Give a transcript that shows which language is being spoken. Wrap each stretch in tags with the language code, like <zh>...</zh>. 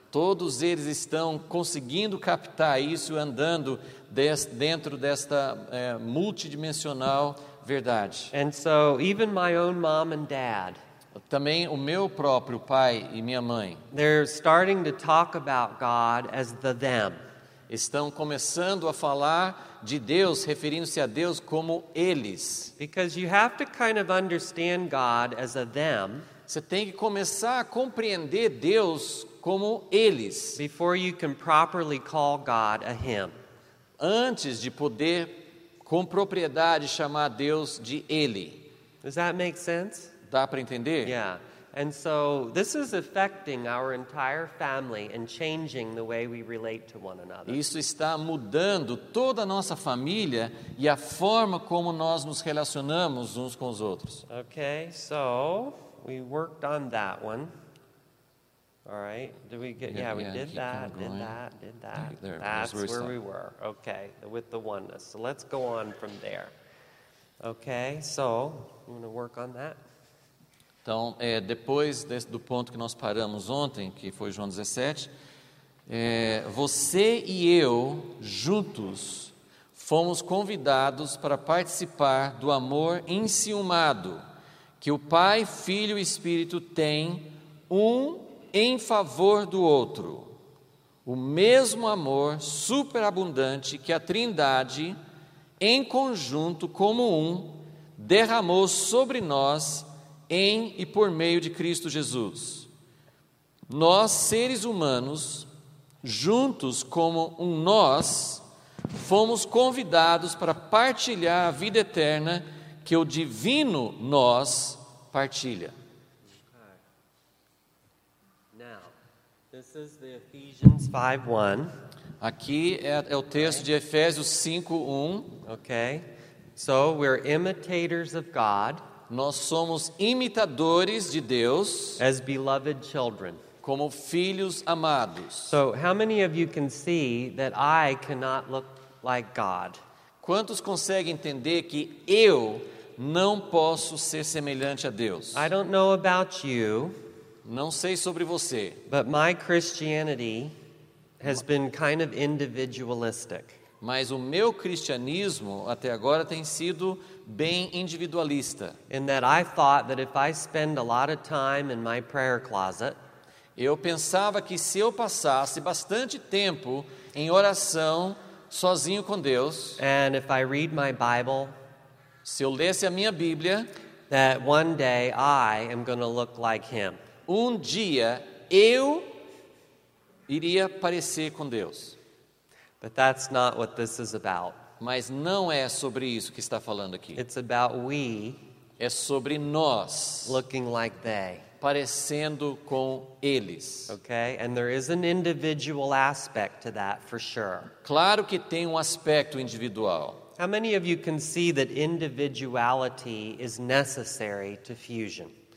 <pt>Todos eles estão conseguindo captar isso andando dentro desta multidimensional verdade.</pt> <en>And so even my own mom and dad,</en> <pt>também o meu próprio pai e minha mãe,</pt> <en>they're starting to talk about God as the them.</en> <pt>Estão começando a falar de Deus, referindo-se a Deus como eles.</pt> <en>Because you have to kind of understand God as a them.</en> <pt>Você tem que começar a compreender Deus como eles.</pt> <en>Before you can properly call God a him.</en> <pt>Antes de poder com propriedade chamar Deus de ele.</pt> <en>Does that make sense?</en> <pt>Dá para entender?</pt> <en>Yeah. And so this is affecting our entire family and changing the way we relate to one another.</en> <pt>Isso está mudando toda a nossa família e a forma como nós nos relacionamos uns com os outros.</pt> <en>Okay, so we worked on that one. All right. Did we get did that. That's where we were. Okay, with the oneness. So let's go on from there. Okay, so I'm going to work on that.</en> <pt>Então, depois do ponto que nós paramos ontem, que foi João 17, você e eu, juntos, fomos convidados para participar do amor enciumado que o Pai, Filho e Espírito têm um em favor do outro. O mesmo amor superabundante que a Trindade, em conjunto, como um, derramou sobre nós, em e por meio de Cristo Jesus. Nós, seres humanos, juntos como um nós, fomos convidados para partilhar a vida eterna que o divino nós partilha.</pt> <en>Now, this is the Ephesians 5:1.</en> <pt>Aqui é o texto de Efésios 5:1.</pt> <en>Okay. So we're imitators of God.</en> <pt>Nós somos imitadores de Deus,</pt> <en>as beloved children,</en> <pt>como filhos amados.</pt> <en>So, how many of you can see that I cannot look like God?</en> <pt>Quantos conseguem entender que eu não posso ser semelhante a Deus?</pt> <en>I don't know about you,</en> <pt>não sei sobre você,</pt> <en>but my Christianity has been kind of individualistic.</en> <pt>Mas o meu cristianismo até agora tem sido bem individualista.</pt> <en>In that I thought that if I spend a lot of time in my prayer closet,</en> <pt>eu pensava que se eu passasse bastante tempo em oração sozinho com Deus,</pt> <en>and if I read my Bible,</en> <pt>se eu lesse a minha Bíblia,</pt> <en>that one day I am going to look like him.</en> <pt>Um dia eu iria parecer com Deus.</pt> <en>But that's not what this is about.</en> <pt>Mas não é sobre isso que está falando aqui.</pt> <en>It's about we</en> <pt>É sobre nós.</pt> <en>Looking like they.</en> <pt>Parecendo com eles.</pt> <en>Okay, and there is an individual aspect to that for sure.</en> <pt>Claro que tem um aspecto individual.</pt> <en>How many of you can see that individuality is necessary to fusion?</en>